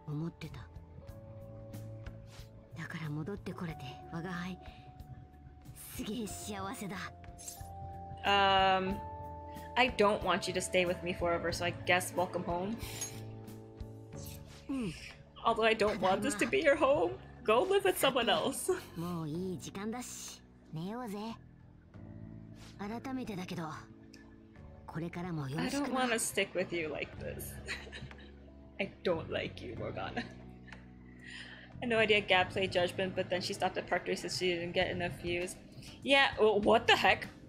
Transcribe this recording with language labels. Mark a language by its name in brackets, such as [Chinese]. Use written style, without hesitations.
[English] So I came back to you, my friend. [Japanese] すげえ幸せだ。 [English] I don't want you to stay with me forever, so I guess welcome home. Although I don't want this to be your home, go live with someone else. [Japanese] もういい時間だし、寝ようぜ。改めてだけど、これからもよろしくな。 [English] I don't want to stick with you like this. I don't like you, Morgana. I have no idea Gab played Judgment, but then she stopped at Park 3 since she didn't get enough views. Yeah, well, what the heck?